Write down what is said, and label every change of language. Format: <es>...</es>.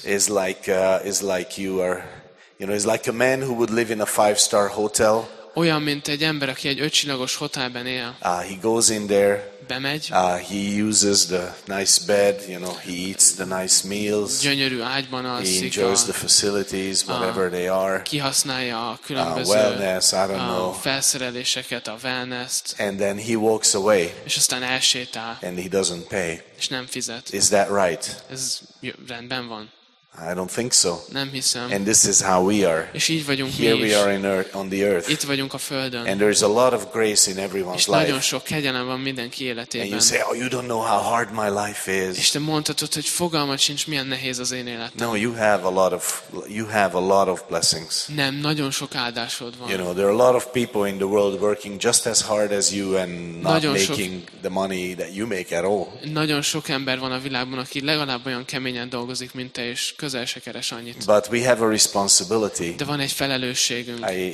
<en>Is like you are, you know, is like a man who would live in a 5-star hotel.</en> <hu>Olyan, mint egy ember, aki egy 5-csillagos hotelben él.</hu> <en>He goes in there.</en> <hu>bemegy.</hu> <en>He uses the nice bed, you know, he eats the nice meals.</en> <hu>Gyönyörű ágyban alszik.</hu> <en>He enjoys the facilities, whatever they are.</en> <hu>Kihasználja a különböző</hu> <en>wellness, I don't know.</en> <hu>Felszereléseket, a wellness-t.</hu> <en>And then he walks away.</en> <hu>És aztán elsétál.</hu> <en>And he doesn't pay.</en> <hu>És nem fizet.</hu> <en>Is that right?</en> <hu>Ez rendben van.</hu> <en>I don't think so.</en> <hu>Nem hiszem.</hu> <en>And this is how we are.</en> <hu>És így vagyunk</hu> <en>here</en> <hu>mi</hu> <en>we</en> <hu>is.</hu> <en>Are in earth, on the earth.</en> <hu>Itt vagyunk a földön.</hu> <en>And there is a lot of grace in everyone's life.</en> <hu>És nagyon sok kegyelem van mindenki életében.</hu> <en>And you say, oh, you don't know how hard my life is.</en> <hu>És te mondhatod, hogy fogalmat sincs, milyen nehéz az én életem.</hu> <en>No, you have a lot of blessings.</en> <hu>Nem, nagyon sok áldásod van.</hu> <en>You know, there are a lot of people in the world working just as hard as you and not making the money that you make at all.</en> <hu>Nagyon sok ember van a világban, aki legalább olyan keményen dolgozik, mint te is. Közel se keres annyit.</hu> <en>But we have a responsibility.</en> <hu>De van egy felelősségünk.</hu>